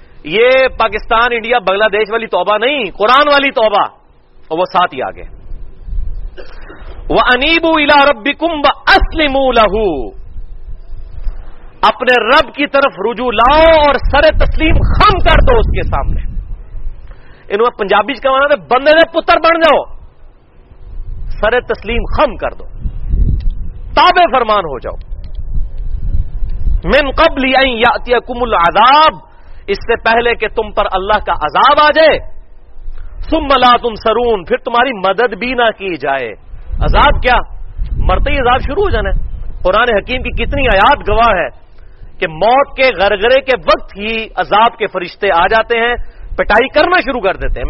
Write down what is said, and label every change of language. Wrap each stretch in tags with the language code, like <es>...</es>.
<ur>یہ پاکستان انڈیا بنگلہ دیش والی توبہ نہیں, قرآن والی توبہ. اور وہ ساتھ ہی آگے</ur> <ar>وَأَنِيبُوا إِلَىٰ رَبِّكُمْ وَأَسْلِمُوا لَهُ,</ar> <ur>اپنے رب کی طرف رجوع لاؤ اور سر تسلیم خم کر دو اس کے سامنے. انہوں پنجابی کا معنی</ur> <pa>بندے دے پتر بن جاؤ,</pa> <ur>سر تسلیم خم کر دو, تابع فرمان ہو جاؤ.</ur> <ar>من قبل أَن يَأْتِيَكُمُ العذاب,</ar> <ur>اس سے پہلے کہ تم پر اللہ کا عذاب آ جائے.</ur> <ar>ثم لا تنصرون,</ar> <ur>پھر تمہاری مدد بھی نہ کی جائے. عذاب کیا؟ مرتے ہی عذاب شروع ہو جانا ہے. قرآن حکیم کی کتنی آیات گواہ ہے کہ موت کے غرغرے کے وقت ہی عذاب کے فرشتے آ جاتے ہیں, پٹائی کرنا شروع کر دیتے ہیں.</ur>